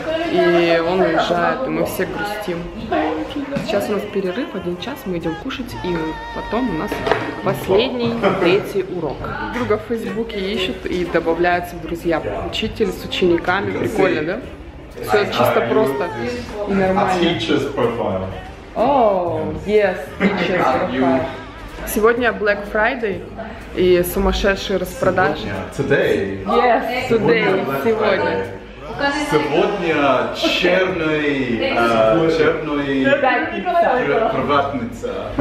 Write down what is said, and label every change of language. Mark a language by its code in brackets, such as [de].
[ru] И он уезжает, и мы все грустим. Сейчас у нас перерыв, один час, мы идем кушать, и потом у нас последний, третий урок. Друга в Фейсбуке ищут и добавляются в друзья. Учитель с учениками, прикольно, да? Все чисто просто и нормально. [en] Teacher's profile. Oh, yes, teacher's profile. [ru] Сегодня Black Friday и сумасшедшие распродажи. [en] Today? Yes, today, [ru] сегодня. Сегодня черный, приятница.